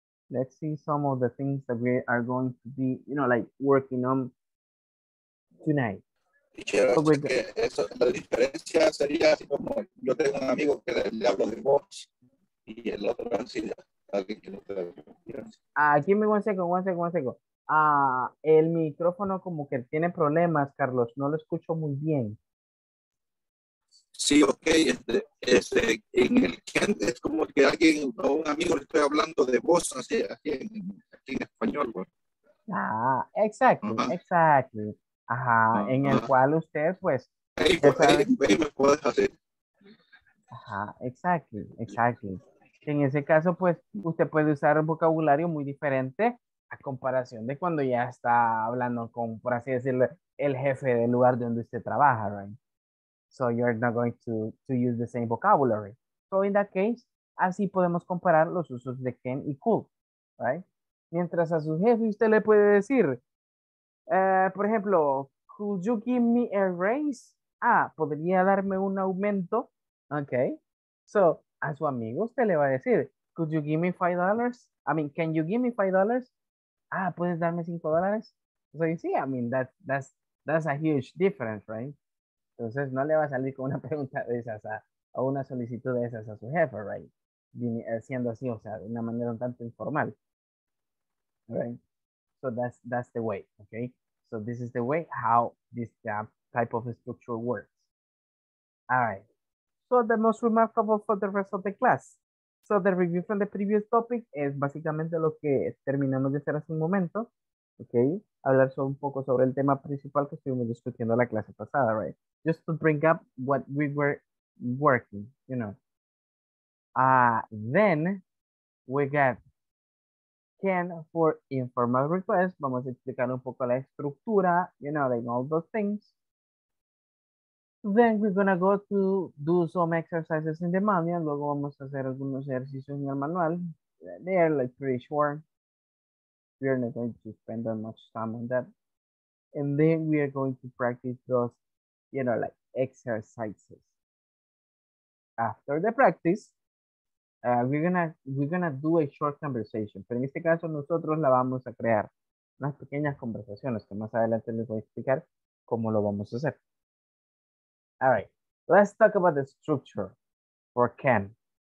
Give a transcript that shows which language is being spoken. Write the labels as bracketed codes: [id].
[en] Let's see some of the things that we are going to be, you know, like, working on tonight. [es] Y que eso, la diferencia sería así como yo tengo un amigo que le hablo de vos y el otro así alguien que no te [en] da. Give me one second. [es] El micrófono como que tiene problemas, Carlos, no lo escucho muy bien. Sí, ok. En el can es como que alguien o un amigo le estoy hablando de vos así en español. Bueno. Ah, exacto, uh-huh. Exacto. Ajá, uh-huh. En el cual usted, pues... Hey, pues hey, hey, me puedes hacer. Ajá, exacto. En ese caso, pues, usted puede usar vocabulario muy diferente a comparación de cuando ya está hablando con, por así decirlo, el jefe del lugar donde usted trabaja, [en] right? So you're not going to use the same vocabulary. So in that case, [es] así podemos comparar los usos de can y could, [en] right? [es] Mientras a su jefe usted le puede decir, por ejemplo, [en] could you give me a raise? [es] Ah, ¿podría darme un aumento? Okay. So a su amigo usted le va a decir, [en] could you give me $5? I mean, can you give me $5? Ah, [es] ¿puedes darme $5? [en] So you see, I mean, that's a huge difference, right? [es] Entonces no le va a salir con una pregunta de esas o una solicitud de esas a su jefe, [en] right? [es] Siendo así, o sea, de una manera un tanto informal. [en] Right. So that's the way, okay? So this is the way how this type of structure works. All right. So the most remarkable for the rest of the class. So the review from the previous topic is [es] básicamente lo que terminamos de hacer hace un momento, [en] okay? [es] Hablar sobre un poco sobre el tema principal que estuvimos discutiendo la clase pasada, [en] right? Just to bring up what we were working, you know. Then we got can for informal requests. [es] Vamos a explicar un poco la estructura, [en] you know, like all those things. Then we're gonna go to do some exercises in the manual. [es] Luego vamos a hacer algunos ejercicios en el manual. [en] They are like pretty short. We are not going to spend that much time on that. And then we are going to practice those, you know, like exercises. After the practice, we're gonna do a short conversation. [es] Pero en este caso nosotros la vamos a crear. Unas pequeñas conversaciones que más adelante les voy a explicar cómo lo vamos a hacer. [en] All right, let's talk about the structure for can.